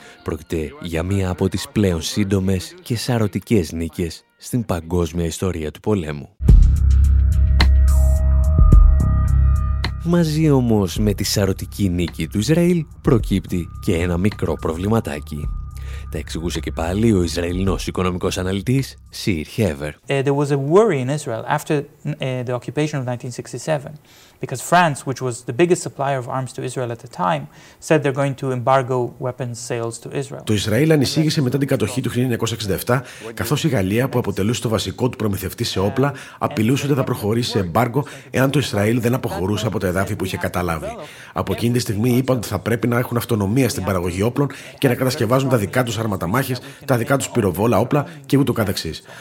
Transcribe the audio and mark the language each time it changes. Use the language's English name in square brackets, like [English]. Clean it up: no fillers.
[Greek] Πρόκειται για μία από τις πλέον σύντομες και σαρωτικές νίκες στην παγκόσμια ιστορία του πολέμου. Μαζί όμως με τη σαρωτική νίκη του Ισραήλ προκύπτει και ένα μικρό προβληματάκι. Τα εξηγούσε και πάλι ο Ισραηλινός οικονομικός αναλυτής Σιρ Χέβερ. [English] There was a worry in Israel after the occupation of 1967. Because France, which was the biggest supplier of arms to Israel at the time, said they're going to embargo weapons sales to Israel. [Greek] Το Ισραήλ ανησύγησε μετά την κατοχή του 1967, καθώς η Γαλλία, που αποτελούσε το βασικό του προμηθευτή σε όπλα, απειλούσε ότι θα προχωρήσει σε εμπάργκο εάν το Ισραήλ δεν αποχωρούσε από τα εδάφη που είχε καταλάβει. Από εκείνη τη στιγμή είπαν ότι θα πρέπει να έχουν αυτονομία στην παραγωγή όπλων και να κατασκευάζουν τα δικά τους άρματα μάχης, τα δικά τους πυροβόλα όπλα και ούτω καθεξής.